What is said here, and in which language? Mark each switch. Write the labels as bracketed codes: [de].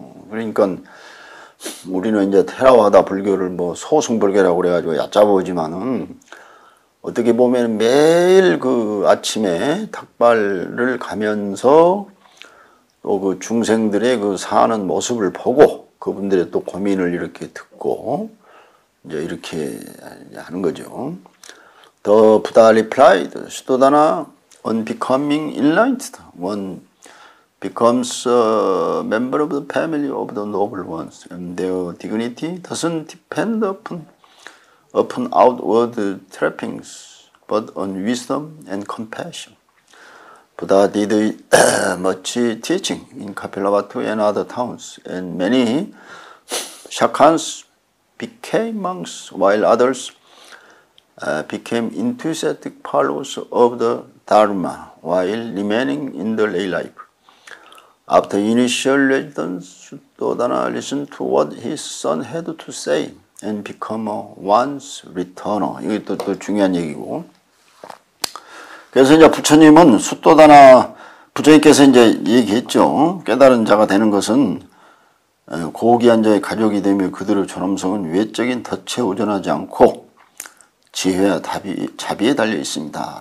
[ko] 그러니까 우리는 이제 테라와다 불교를 뭐 소승불교라고 그래가지고 얕잡아보지만은 어떻게 보면 매일 그 아침에 닭발을 가면서 또 그 중생들의 그 사는 모습을 보고 그분들의 또 고민을 이렇게 듣고 이제 이렇게 하는 거죠. [en] The Buddha replied, Suddhodana, on becoming enlightened, one becomes a member of the family of the noble ones, and their dignity doesn't depend upon outward trappings, but on wisdom and compassion. Buddha did much teaching in Kapilavatthu and other towns, and many Shakans became monks, while others became enthusiastic followers of the Dharma while remaining in the lay life. After initial residence, Suddhodana listened to what his son had to say and become a once returner. [ko] 이게 또 중요한 얘기고. 그래서 이제 부처님은 수도다나 부처님께서 이제 얘기했죠. 깨달은 자가 되는 것은 고귀한 자의 가족이 되며 그들의 존엄성은 외적인 덫에 의존하지 않고 지혜와 자비에 달려 있습니다.